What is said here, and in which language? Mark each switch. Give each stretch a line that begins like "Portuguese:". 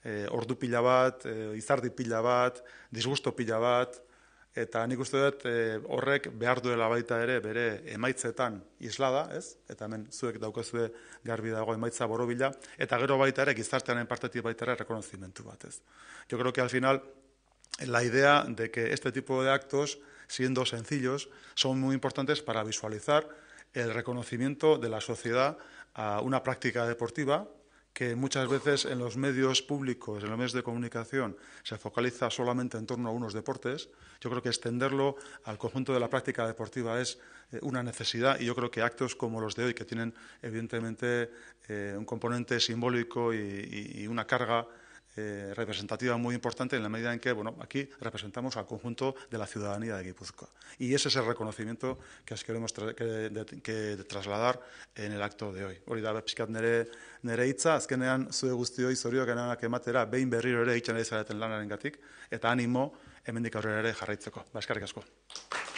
Basque: Ordu pila bat, izardi pila bat, disgusto pila bat, eta nik uste dut horrek behar duela baita ere bere emaitzetan islada, ez? Eta hemen zuek daukazue garbi dago emaitza borobila, eta gero baita ere gizartearen partetik baita ere rekonozimentu bat, ez?
Spanish: Jo creo que al final la idea de que este tipo de actos, siendo sencillos, son muy importantes para visualizar el reconocimiento de la sociedad a una práctica deportiva que muchas veces en los medios públicos, en los medios de comunicación, se focaliza solamente en torno a unos deportes. Yo creo que extenderlo al conjunto de la práctica deportiva es una necesidad y yo creo que actos como los de hoy, que tienen evidentemente un componente simbólico y una carga representativa muy importante en la medida en que, bueno, aquí representamos al conjunto de la ciudadanía de Gipuzkoa. Y ese es el reconocimiento que os queremos trasladar en el acto de hoy.
Basque: Hori da, pixkat nere hitza, azkenean zue guztioi zorionak ematera behin berriro ere itxan edizaretan lanaren gatik, eta animo hemendik aurrera ere jarraitzeko. Ba, eskerrik asko.